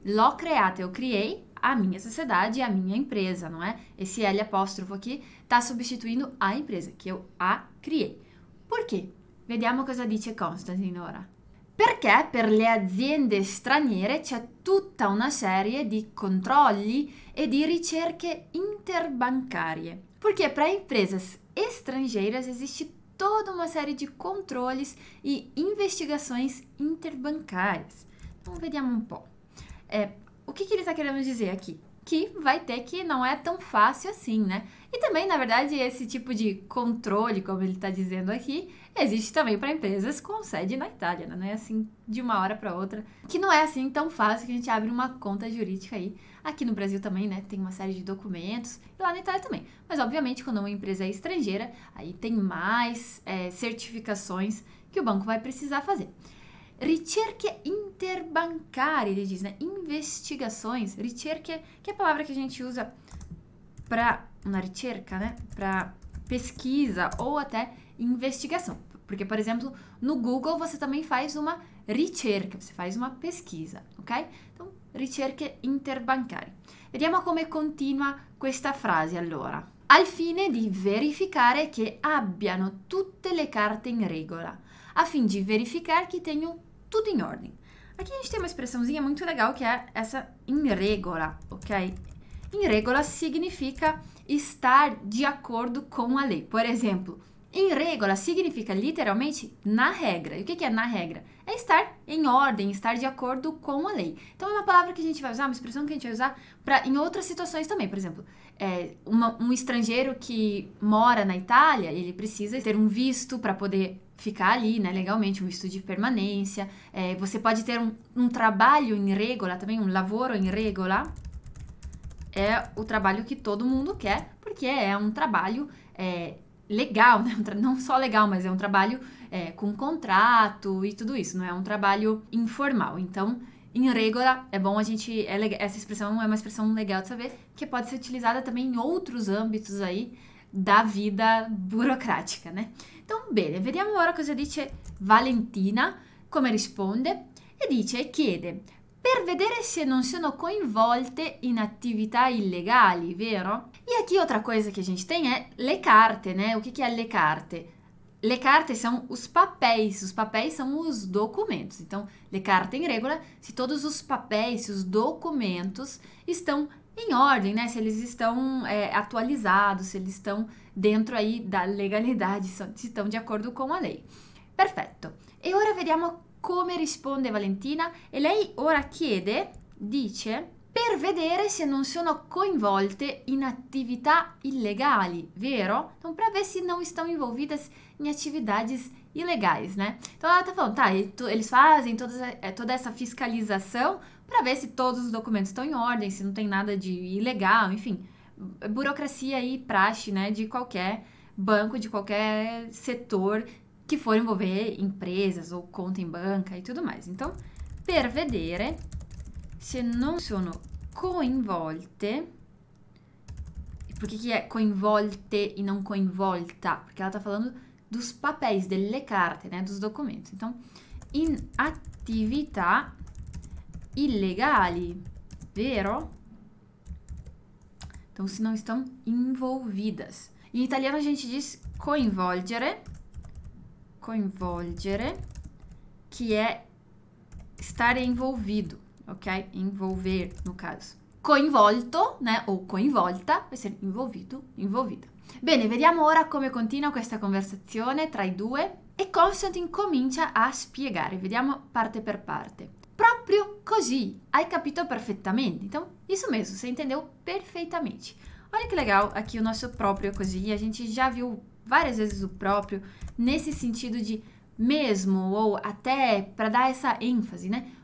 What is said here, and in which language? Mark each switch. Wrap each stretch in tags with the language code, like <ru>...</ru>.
<it>L'ho creata,</it> <pt>eu criei a minha sociedade, a minha empresa, não é? Esse L apóstrofo aqui tá substituindo a empresa, que eu a criei. Por quê?</pt> <it>Vediamo cosa dice Constantine ora. Perché per le aziende straniere c'è tutta una serie di controlli e di ricerche interbancarie. Perché per le imprese</it> <pt>estrangeiras existe</pt> <it>tutta una serie di controlli e investigazioni interbancarie. Então, vediamo un po'. O che ele sta</it> <pt>querendo dizer aqui? que vai ter que não é tão fácil assim, né? E também, na verdade, esse tipo de controle, como ele está dizendo aqui, existe também para empresas com sede na Itália, né? Não é assim de uma hora para outra, que não é assim tão fácil que a gente abre uma conta jurídica aí. Aqui no Brasil também, né, tem uma série de documentos, e lá na Itália também. Mas, obviamente, quando uma empresa é estrangeira, aí tem mais certificações que o banco vai precisar fazer. Ricerche interbancarie, ele diz, né? Investigações, ricerche, que é a palavra que a gente usa para uma ricerca, né? Para pesquisa ou até investigação. Porque, por exemplo, no Google você também faz uma ricerca, você faz uma pesquisa, ok? Então, ricerche interbancarie.</pt> <it>Vediamo come continua questa frase, allora. Al fine di verificare che abbiano tutte le carte in regola,</it> <pt>a fim di verificare che tenham tudo em ordem. Aqui a gente tem uma expressãozinha muito legal que é essa in regola, ok? In regola significa estar de acordo com a lei. Por exemplo, in regola significa literalmente na regra. E o que é na regra? É estar em ordem, estar de acordo com a lei. Então é uma palavra que a gente vai usar, uma expressão que a gente vai usar para em outras situações também. Por exemplo, um estrangeiro que mora na Itália, ele precisa ter um visto para poder ficar ali, né, legalmente, um visto de permanência. Você pode ter um trabalho em regola também, um lavoro em regola. É o trabalho que todo mundo quer, porque é um trabalho legal, né? Não só legal, mas é um trabalho com contrato e tudo isso, não é um trabalho informal. Então, em regola, é bom a gente... essa expressão é uma expressão legal de saber, que pode ser utilizada também em outros âmbitos aí da vida burocrática, né?</pt> <it>Então, bene, vediamo ora cosa dice Valentina, come risponde. E dice, chiede, per vedere se non sono coinvolte in attività illegali, vero?</it> <pt>E aqui outra coisa que a gente tem é le carte, né? O que é le carte? Le carte são os papéis são os documentos. Então, le carte em regola, se todos os papéis, se os documentos estão em ordem, né? Se eles estão atualizados, se eles estão dentro aí da legalidade, se estão de acordo com a lei. Perfeito.</pt> <it>E ora vediamo come risponde Valentina. E lei ora chiede, dice, per vedere se non sono coinvolte in attività illegali, vero?</it> <pt>Então, para ver se não estão envolvidas em atividades ilegais, né? Então, ela tá falando, tá, eles fazem toda essa fiscalização para ver se todos os documentos estão em ordem, se não tem nada de ilegal, enfim. Burocracia e praxe, né, de qualquer banco, de qualquer setor que for envolver empresas ou conta em banca e tudo mais. Então, per vedere se non sono coinvolte. Por que que é coinvolte e não coinvolta? Porque ela tá falando dos papéis,</pt> <it>delle carte,</it> <pt>né, dos documentos. Então, in attività illegali, vero? Então, se não estão envolvidas. Em italiano a gente diz coinvolgere, coinvolgere, que é estar envolvido, ok? Envolver, no caso. Coinvolto, né, ou coinvolta, vai ser envolvido, envolvida.</pt> <it>Bene, vediamo ora come continua questa conversazione tra i due. E Constantine comincia a spiegare, vediamo parte per parte. Proprio così, hai capito perfettamente.</it> <pt>Então, isso mesmo, você entendeu perfeitamente. Olha que legal aqui o nosso</pt> <it>proprio così.</it> <pt>A gente já viu várias vezes o próprio nesse sentido de mesmo ou até para dar essa ênfase, né?</pt>